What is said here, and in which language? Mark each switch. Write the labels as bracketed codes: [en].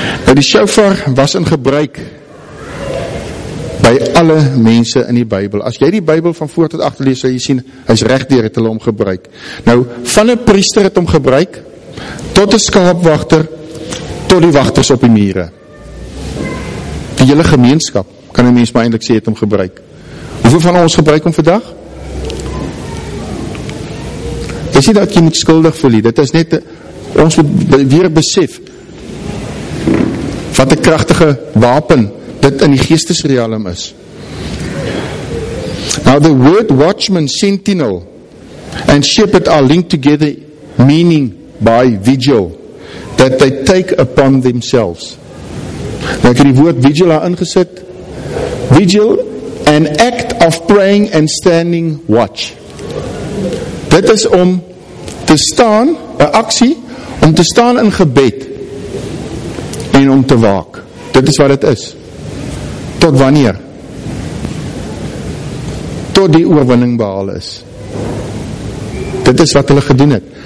[af] Nou die shofar was in gebruik by alle mense in die Bybel. As jy die Bybel van voor tot agter lees, sal jy sien, hy's regdeur het hulle hom gebruik. Nou, van 'n priester het hom gebruik, tot 'n skaapwagter, tot die wagters op die mure. Die hele gemeenskap, kan die mens maar eindelijk sê, het hom gebruik. Hoeveel van ons gebruik hom vandag? Dis nie dat jy moet skuldig voel, dit is net, ons moet weer besef, wat 'n kragtige wapen dit in die geestesrealm is. [en] Now the word watchman, sentinel and shepherd are linked together, meaning by vigil that they take upon themselves. [af] Nou ek het die woord vigil daar ingesit. Vigil, [en] an act of praying and standing watch. [af] Dit is om te staan, 'n aksie om te staan in gebed en om te waak. Dit is wat het is. Tot wanneer? Tot die oorwinning behaal is. Dit is wat hulle gedoen het.